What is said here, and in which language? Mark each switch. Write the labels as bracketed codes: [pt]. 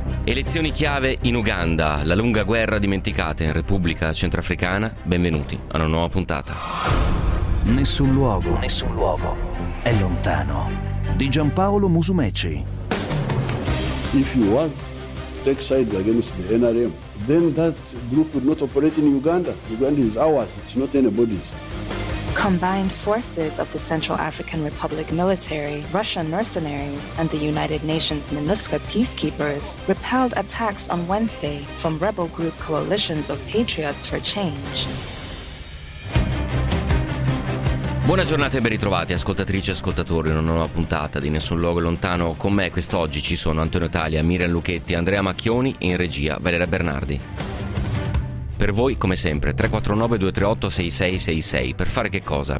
[it] Elezioni chiave in Uganda, la lunga guerra dimenticata in Repubblica Centrafricana. Benvenuti a una nuova puntata. Nessun luogo è lontano, di Giampaolo Musumeci. [en] If you want take side against the NRM, then that group will not operate in Uganda. Uganda is ours, it's not anybody's. Combined forces of the Central African Republic military, Russian mercenaries, and the United Nations MINUSCA peacekeepers repelled attacks on Wednesday from rebel group coalitions of Patriots for Change. [it] Buona giornata e ben ritrovati, ascoltatrici e ascoltatori, in una nuova puntata di Nessun Luogo Lontano. Con me quest'oggi ci sono Antonio Talia, Miriam Lucchetti, Andrea Macchioni e in regia Valeria Bernardi. Per voi, come sempre, 349-238-6666. Per fare che cosa?